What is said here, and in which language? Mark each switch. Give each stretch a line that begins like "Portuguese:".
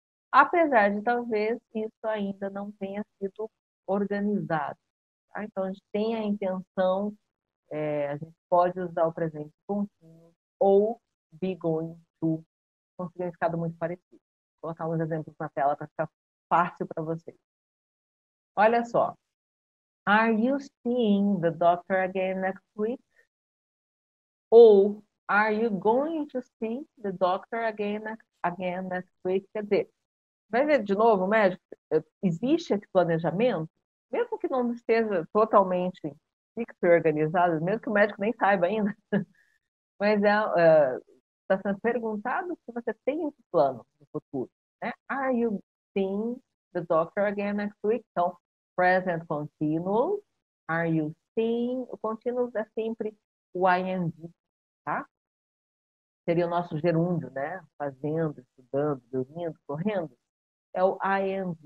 Portuguese: Apesar de talvez isso ainda não tenha sido organizado. Tá? Então, a gente tem a intenção, a gente pode usar o presente contínuo ou be going to, com significado muito parecido. Vou colocar uns exemplos na tela para ficar fácil para vocês. Olha só.
English: Are you seeing the doctor again next week?
Portuguese: Ou
English: are you going to see the doctor again next week?
Portuguese: Quer dizer, vai ver de novo, médico, existe esse planejamento, mesmo que não esteja totalmente organizado, mesmo que o médico nem saiba ainda, mas está sendo perguntado se você tem esse plano no futuro. Né?
English: Are you seeing the doctor again next week?
Portuguese: Então, present continuous,
English: are you seeing?
Portuguese: O continuous é sempre o ing, tá? Seria o nosso gerúndio, né? Fazendo, estudando, dormindo, correndo. É o IMV.